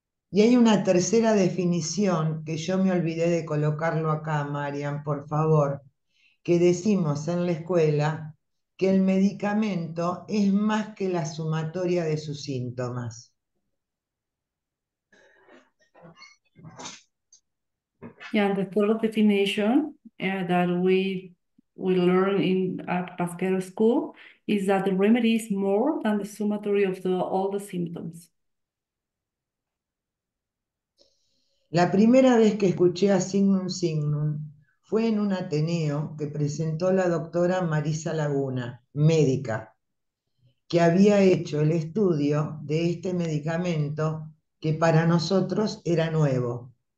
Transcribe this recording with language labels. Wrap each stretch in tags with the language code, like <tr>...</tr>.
<es>Y hay una tercera definición que yo me olvidé de colocarlo acá, Marian, por favor, que decimos en la escuela que el medicamento es más que la sumatoria de sus síntomas.</es> <en>Yeah, the third definition that we learn in at Pasquero School is that the remedy is more than the summary of all the symptoms.</en> <es>La primera vez que escuché a Signum Signum fue en un ateneo que presentó la doctora Marisa Laguna, médica, que había hecho el estudio de este medicamento que para nosotros era nuevo.</es>